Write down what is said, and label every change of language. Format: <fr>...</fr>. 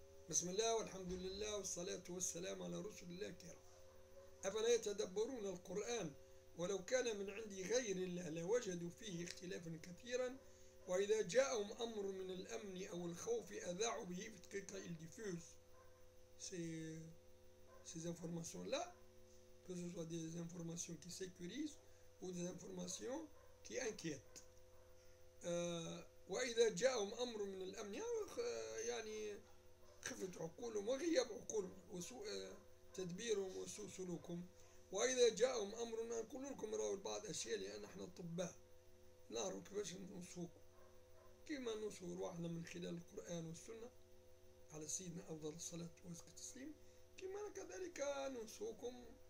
<ar>بسم الله والحمد لله والصلاة والسلام على رسول الله الكريم. أفلا يتدبرون القرآن ولو كان من عند غير الله لوجدوا فيه اختلافا كثيرا. وإذا جاءهم أمر من الأمن أو الخوف أذاعوا به في دقيقة الديفوز.</ar> <fr>Ces informations là, que ce soit des informations qui sécurisent ou des informations qui inquiètent.</fr> <ar>وإذا جاءهم أمر من الأمن يعني خفت عقولهم وغياب عقولهم وسوء تدبيرهم وسوء سلوكهم. وإذا جاءهم أمر أن أقول لكم راهو بعض أشياء لأن احنا أطباء نعرف كيفاش نوصوك كيما نوصو روحنا من خلال القرآن والسنة على سيدنا أفضل الصلاة وأزكى التسليم كيما كذلك نوصوكم</ar>